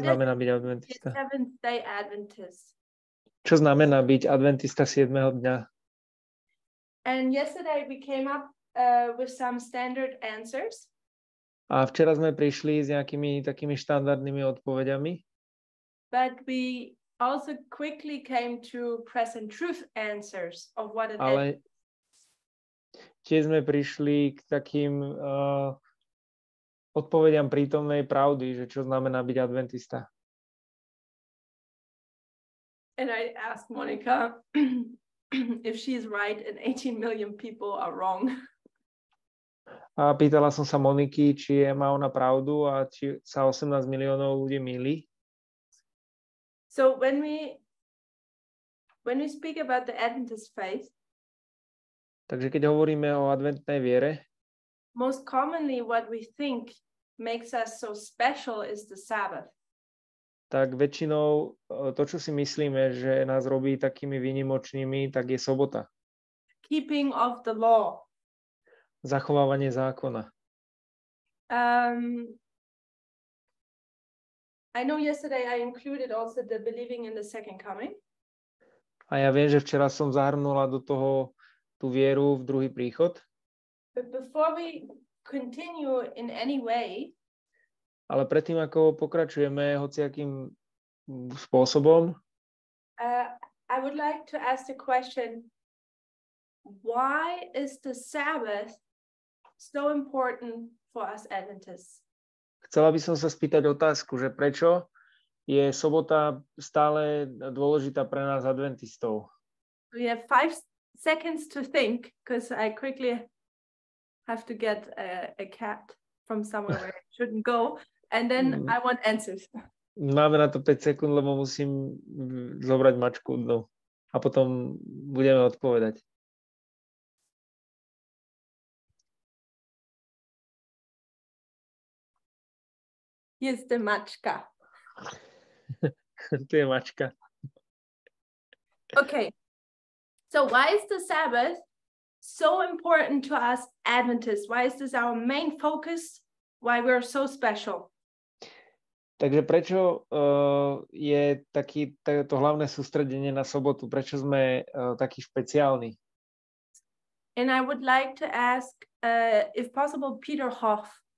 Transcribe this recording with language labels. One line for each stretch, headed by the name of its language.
Slovak: čo znamená byť adventista?
English: Seventh-day Adventist?
Slovak: Čo znamená byť adventista 7. dňa?
English: And yesterday we came up with some standard answers.
Slovak: A včera sme prišli s nejakými takými štandardnými odpoveďami.
English: But we also quickly came to present truth answers of what it is.
Slovak: Ale tiež sme prišli k takým odpovediam prítomnej pravdy, že čo znamená byť adventista.
English: And I asked Monica if she is right and 18 million people are wrong.
Slovak: A pýtala som sa Moniky, či je má ona pravdu a či sa 18 miliónov ľudí mýli.
English: So when we speak about the Adventist faith,
Slovak: takže keď hovoríme o adventnej viere,
English: most commonly what we think makes us so special is the Sabbath.
Slovak: Tak väčšinou to, čo si myslíme, že nás robí takými výnimočnými, tak je sobota.
English: Keeping of the law.
Slovak: Zachovávanie zákona.
English: I know yesterday I included also the believing in the second coming.
Slovak: A ja viem, že včera som zahrnula do toho tú vieru v druhý príchod.
English: But before we continue in any way,
Slovak: ale predtým, ako pokračujeme hociakým spôsobom,
English: I would like to ask the question, why is the Sabbath so important for us Adventists?
Slovak: Chcela by som sa spýtať otázku, že prečo je sobota stále dôležitá pre nás adventistov.
English: We have 5 seconds to think, because I quickly have to get a cat from somewhere where I shouldn't go, and then I want answers.
Slovak: Máme na to 5 sekúnd, lebo musím zobrať mačku dnu. A potom budeme odpovedať.
English: Is the mačka.
Slovak: To je mačka.
English: Okay. So why is the Sabbath so important to us Adventists? Why is this our main focus? Why we are so special?
Slovak: Takže prečo je taký to hlavné sústredenie na sobotu? Prečo sme takí špeciálni?
English: And I would like to ask if possible Peter Hoff.